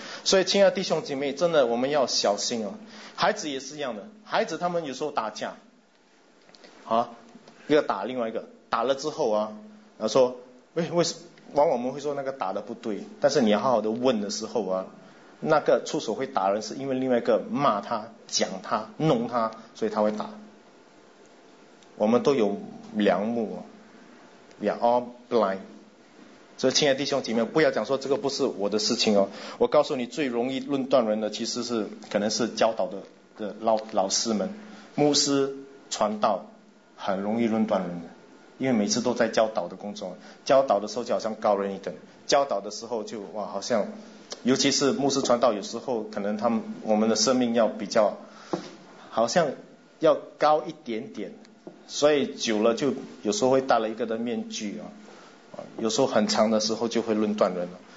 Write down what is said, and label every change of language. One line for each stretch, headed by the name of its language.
Chinese: 所以亲爱的弟兄姐妹，真的我们要小心哦。孩子也是一样的，孩子他们有时候打架，啊，一个打另外一个，打了之后啊，然后说，为什么？往往我们会说那个打的不对，但是你要好好的问的时候啊，那个出手会打人是因为另外一个骂他、讲他、弄他，所以他会打。我们都有良木，
English: we are all blind，
Chinese: 所以亲爱的弟兄姐妹，不要讲说这个不是我的事情哦。我告诉你，最容易论断人的其实是可能是教导 的老师们，牧师传道很容易论断人的，因为每次都在教导的工作，教导的时候就好像高人一等，教导的时候就哇，好像尤其是牧师传道，有时候可能他们我们的生命要比较好像要高一点点，所以久了就有时候会戴了一个的面具啊，有时候很长的时候就会论断人了。